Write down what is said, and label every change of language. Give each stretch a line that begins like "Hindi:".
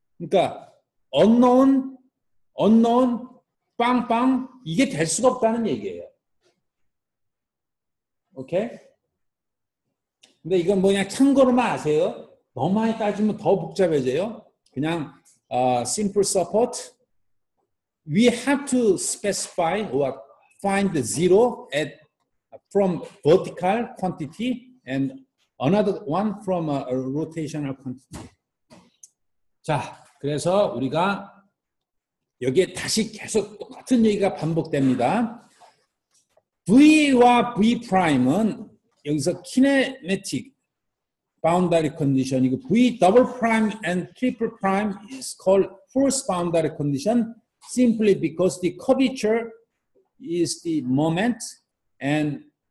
Korean: 그러니까 unknown, unknown, 빵빵 이게 될 수가 없다는 얘기예요. 오케이? 근데 이건 뭐냐 참고로만 아세요. 너무 많이 따지면 더 복잡해져요. 그냥 simple support.
English: We have to specify or find the zero at from vertical quantity and another one from a rotational quantity.
Korean: 자, 그래서 우리가 여기에 다시 계속 똑같은 얘기가 반복됩니다. V와 V'은 여기서
English: kinematic boundary condition이고 V double prime and triple prime is called force boundary condition simply because the curvature is the moment and